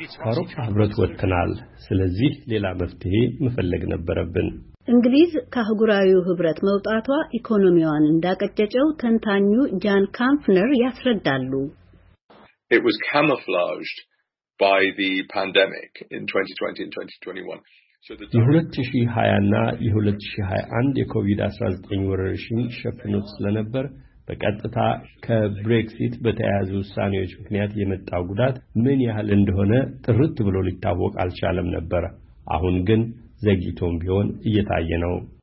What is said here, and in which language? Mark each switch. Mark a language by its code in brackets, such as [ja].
[am] አውሮፓ ህብረት ወጥተናል። ስለዚህ ሌላ መፍትሄ መፈለግ ነበረብን። እንግሊዝ ከአህጉራዊው ህብረት መውጣቷ ኢኮኖሚዋን እንዳቀጨጨው ተንታኙ ጃን ካምፕነር ያስረዳሉ። [en] It was camouflaged by the pandemic in 2020 and 2021. So the [am] 2020 እና 2021 የኮቪድ-19 ወረርሽኝ ስለነበር በቀጥታ ከብሬክሲት በተያያዙ ሳኒዎች ምክንያት የመጣው ጉዳት ምን ያህል እንደሆነ ጥርት ብሎ ሊታወቅ አልቻለም ነበር። አሁን ግን ዘግይቶም ቢሆን እየታየ ነው።